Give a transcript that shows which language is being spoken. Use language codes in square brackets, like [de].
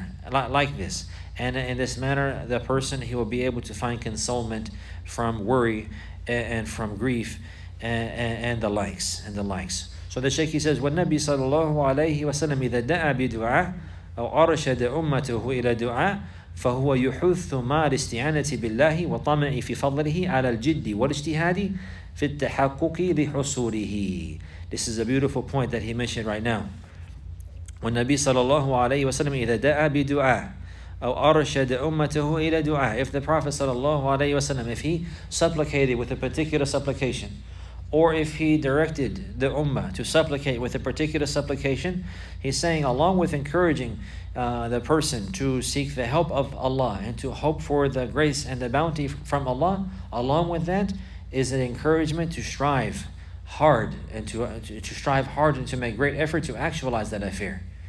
[en] Like this. And in this manner, the person, he will be able to find consolement from worry and from grief and the likes. So the Shaykh, he says, [ar] وَالنَّبِي صَلَى اللَّهُ عَلَيْهِ وَسَلَّمْ إِذَا دَعَى بِدُعَى أو أرشد أمته إلى دعاء فهو يحث مع الاستعانة بالله وطمع في فضله على الجد والاجتهاد في التحقق لحصوله. [en] This is a beautiful point that he mentioned right now. When Nabi sallallahu alayhi wa sallam, [ar] إذا دعا بدعاء أو أرشد أمته إلى دعاء, [en] if the Prophet sallallahu alayhi wa sallam, if he supplicated with a particular supplication, or if he directed the ummah to supplicate with a particular supplication, he's saying, along with encouraging the person to seek the help of Allah and to hope for the grace and the bounty from Allah, along with that is an encouragement to strive hard and to strive hard and to make great effort to actualize that affair.